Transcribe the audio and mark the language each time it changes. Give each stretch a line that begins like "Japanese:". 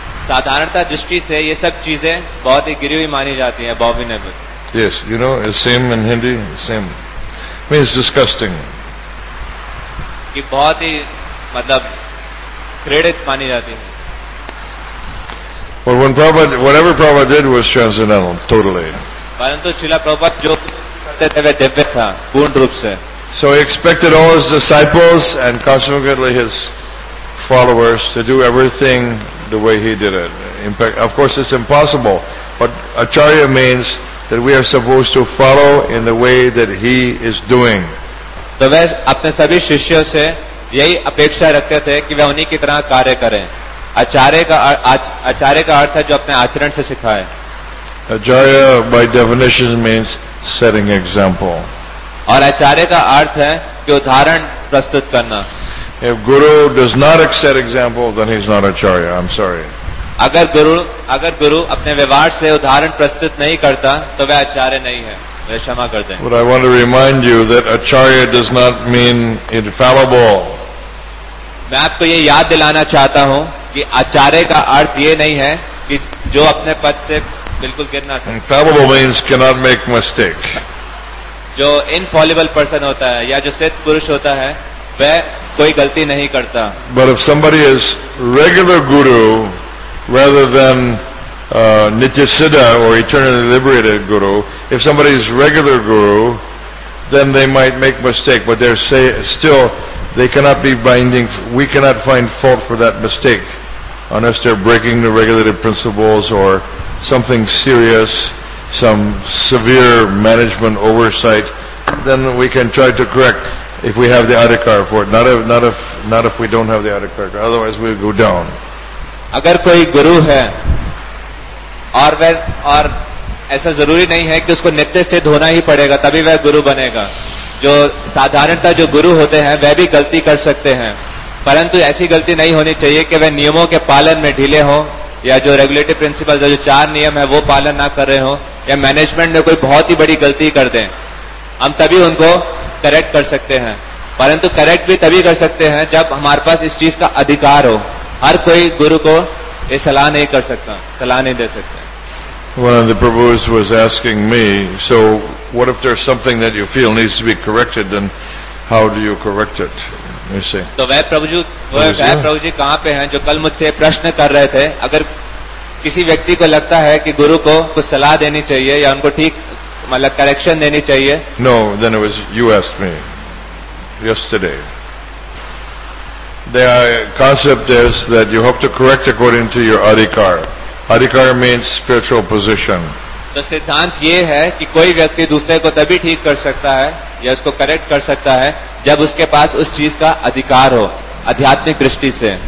Hindi: साधारणता दृष्टि से ये सब चीजें बहुत ही गिरी हुई मानी जाती हैं.
English: Abominable. Yes, you know, it's same in Hindi, same. Means disgusting.
Hindi: कि बहुत ही मतलब क्रेडित मानी जाती है.
English: But when Prabhupada, whatever Prabhupada did was transcendental, totally.
Hindi: परंतु शिला प्रभुपाद जो करते थे वे दिव्य था पूर्ण रूप से.
English: So he expected all his disciples and consequently his followers to do everything the way he did it. In fact, of course, it's impossible. But acharya means that we are supposed to follow in the way that he is doing.
Hindi: तो वे अपने सभी शिष्यों से यही अपेक्षा रखते थे कि वे उन्हीं की तरह कार्य करें. आचार्य का अर्थ है जो अपने आचरण से सिखाए.
English: Acharya by definition means setting example.
Hindi: और आचार्य का अर्थ है कि उदाहरण प्रस्तुत करना.
English: If guru does not set example, then he's not acharya. I'm sorry.
Hindi: अगर गुरु अपने व्यवहार से उदाहरण प्रस्तुत नहीं करता तो वह आचार्य नहीं है. वह क्षमा कर दें.
English: But I want to remind you that acharya does not mean infallible.
Hindi: मैं आपको ये याद दिलाना चाहता हूँ कि आचार्य का अर्थ ये नहीं है कि जो अपने पद से बिल्कुल गिरना चाहिए.
English: Infallible means cannot make mistake.
Hindi: जो
English: infallible person
Hindi: होता है या जो सिद्ध पुरुष होता है वह कोई गलती नहीं करता.
English: But if somebody is regular guru rather than nitya siddha or eternally liberated guru, if somebody is regular guru, then they might make mistake, but they're say still they cannot be binding. We cannot find fault for that mistake unless they're breaking the regulative principles or something serious, some severe management oversight. Then we can try to correct if we have the adhikar for it. Not if we don't have the adhikar. Otherwise we'll go down.
Hindi: अगर कोई गुरु है और वह और ऐसा जरूरी नहीं है कि उसको नित्य सिद्ध होना ही पड़ेगा तभी वह गुरु बनेगा. जो साधारणता जो गुरु होते हैं वह भी गलती कर सकते हैं, परंतु ऐसी गलती नहीं होनी चाहिए कि वह नियमों के पालन में ढीले हों या जो रेगुलेटिव प्रिंसिपल जो चार नियम है वो पालन ना कर रहे हों या मैनेजमेंट में कोई बहुत ही बड़ी गलती कर दें. हम तभी उनको करेक्ट कर सकते हैं, परंतु करेक्ट भी तभी कर सकते हैं जब हमारे पास इस चीज का अधिकार हो. हर कोई गुरु को ये सलाह नहीं कर सकता, सलाह नहीं दे सकता.
English: One of the Prabhus was asking me, so what if there's something that you feel needs to be corrected, then how do you correct it? You see.
Hindi: तो वह प्रभुजी कहाँ पे हैं जो कल मुझसे प्रश्न कर रहे थे, अगर किसी व्यक्ति को लगता है कि गुरु को कुछ सलाह देनी चाहिए या उनको ठीक मतलब करेक्शन देनी चाहिए.
English: No, then it was you asked me yesterday. The concept is that you have to correct according to your adhikar. Adhikar means spiritual position.
Hindi: तो सिद्धांत ये है कि कोई व्यक्ति दूसरे को तभी ठीक कर सकता है या उसको करेक्ट कर सकता है जब उसके पास उस चीज का अधिकार हो आध्यात्मिक दृष्टि से.